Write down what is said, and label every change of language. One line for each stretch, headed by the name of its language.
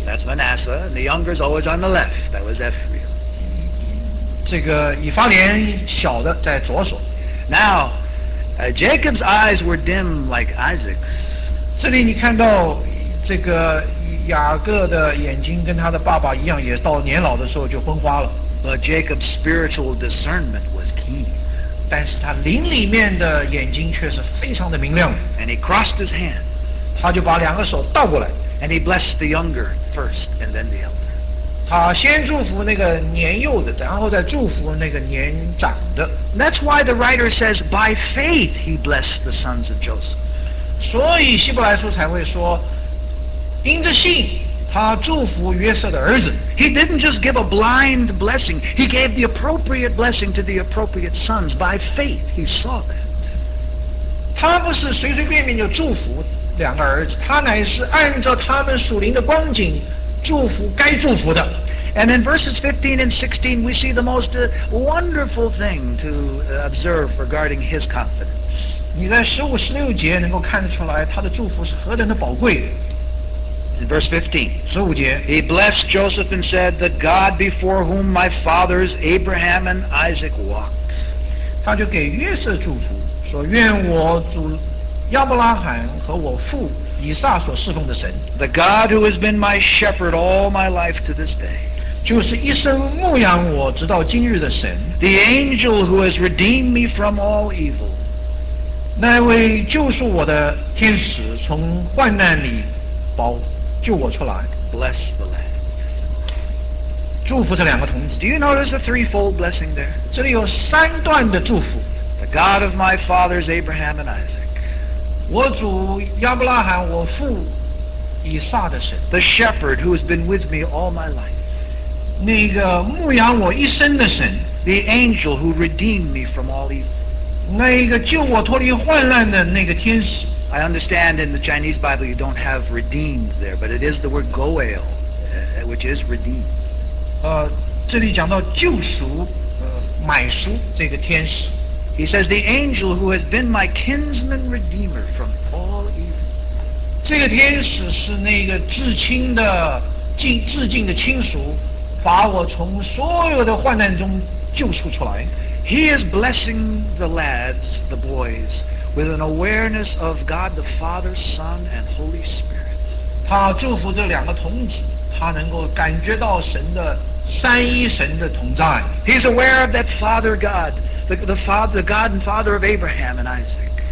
English: That's Manasseh, and the younger is always on the left. That was Ephraim.
Chinese: 这个以法莲小的在左手。
English: Now. Jacob's eyes were dim like Isaac's.
Chinese: 这里你看到这个雅各的眼睛跟他的爸爸一样，也到年老的时候就昏花了。
English: But Jacob's spiritual discernment was keen.
Chinese: 但是他灵里面的眼睛却是非常的明亮。
English: And he crossed his hand.
Chinese: 他就把两个手倒过来。
English: And he blessed the younger first and then the elder.
Chinese: 他先祝福那个年幼的，然后再祝福那个年长的。
English: That's why the writer says, by faith he blessed the sons of Joseph.
Chinese: 所以希伯来书才会说，因着信，他祝福约瑟的儿子。
English: He didn't just give a blind blessing, he gave the appropriate blessing to the appropriate sons. By faith he saw that.
Chinese: 他不是随随便便就祝福两个儿子，他乃是按照他们属灵的光景祝福该祝福的。
English: And in verses 15 and 16, we see the most wonderful thing to observe regarding his confidence.
Chinese: 你在十五、十六节能够看得出来，他的祝福是何等的宝贵。
English: In verse 15,
Chinese: 十五节
English: he blessed Joseph and said, "The God before whom my fathers Abraham and Isaac walked."
Chinese: 他就给约瑟祝福，说愿我主亚伯拉罕和我父以撒所侍奉的神。
English: The God who has been my shepherd all my life to this day.
Chinese: 就是一生牧养我直到今日的神。
English: The angel who has redeemed me from all evil.
Chinese: 那位救赎我的天使从患难里保救我出来。
English: Bless the lad.
Chinese: 祝福这两个童子。
English: Do you notice a threefold blessing there?
Chinese: 这里有三段的祝福。
English: The God of my fathers Abraham and Isaac.
Chinese: 我主亚伯拉罕，我父以撒的神。
English: The shepherd who has been with me all my life.
Chinese: 那个牧养我一生的神。
English: The angel who redeemed me from all evil.
Chinese: 那个救我脱离患难的那个天使。
English: I understand in the Chinese Bible you don't have redeemed there, but it is the word goel, which is redeemed.
Chinese: 这里讲到救赎，买赎这个天使。
English: He says, the angel who has been my kinsman redeemer from all evil.
Chinese: 这个天使是那个至亲的至敬的亲属，把我从所有的患难中救赎出来。
English: He is blessing the lads, the boys, with an awareness of God the Father, Son, and Holy Spirit.
Chinese: 他祝福这两个童子，他能够感觉到神的三一神的同在。
English: He's aware of that Father God. The God and Father of Abraham and Isaac.